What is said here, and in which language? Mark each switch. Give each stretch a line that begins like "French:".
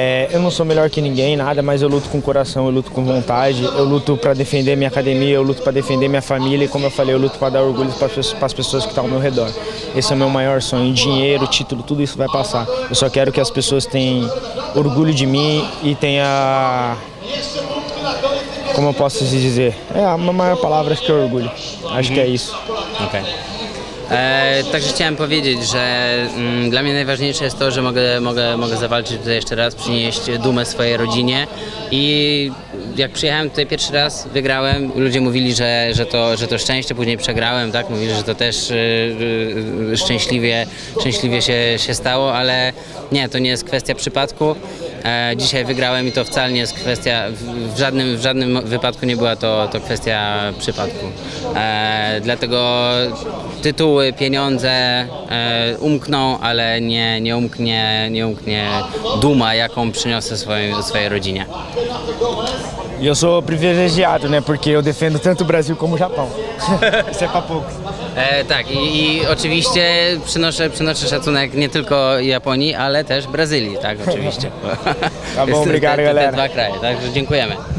Portuguese: Eu não sou melhor que ninguém, nada, mas eu luto com coração, eu luto com vontade, eu luto para defender minha academia, eu luto para defender minha família e, como eu falei, eu luto para dar orgulho para as pessoas que estão ao meu redor. Esse é o meu maior sonho, dinheiro, título, tudo isso vai passar. Eu só quero que as pessoas tenham orgulho de mim e tenha, como eu posso dizer, a minha maior palavra que é orgulho. Acho que é isso. Ok.
Polish: Także chciałem powiedzieć, że dla mnie najważniejsze jest to, że mogę zawalczyć tutaj jeszcze raz, przynieść dumę swojej rodzinie i jak przyjechałem tutaj pierwszy raz, wygrałem, ludzie mówili, że to szczęście, później przegrałem, tak, mówili, że to też szczęśliwie się stało, ale nie, to nie jest kwestia przypadku. Dzisiaj wygrałem i to wcale nie jest kwestia, w żadnym wypadku nie była to kwestia przypadku. Dlatego tytuły, pieniądze umkną, ale nie umknie duma, jaką przyniosę swojej rodzinie.
Portuguese: E eu sou privilegiado, né, porque eu defendo tanto o Brasil como o Japão. Isso é pra poucos.
Polish: E, tak, i oczywiście przynoszę szacunek nie tylko Japonii, ale też Brazylii, tak, oczywiście.
Portuguese: Tá bom, obrigado, galera.
Polish: Te dwa kraje, także dziękujemy.